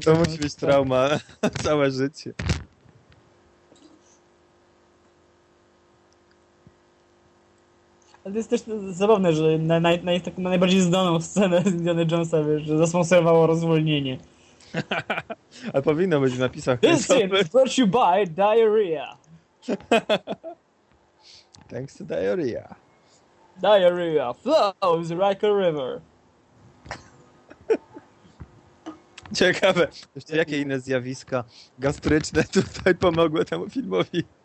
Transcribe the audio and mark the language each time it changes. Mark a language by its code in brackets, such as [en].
[pl] To musi być trauma całe życie. Ale to jest też zabawne, że na najbardziej znaną scenę z Indiana Jonesa, wiesz, że zasponsorowało rozwolnienie. Ale powinno być w napisach. [en] This scene is brought to you by diarrhea. Thanks to diarrhea. Diarrhea flows like a river. [pl] Ciekawe, jeszcze jakie inne zjawiska gastryczne tutaj pomogły temu filmowi.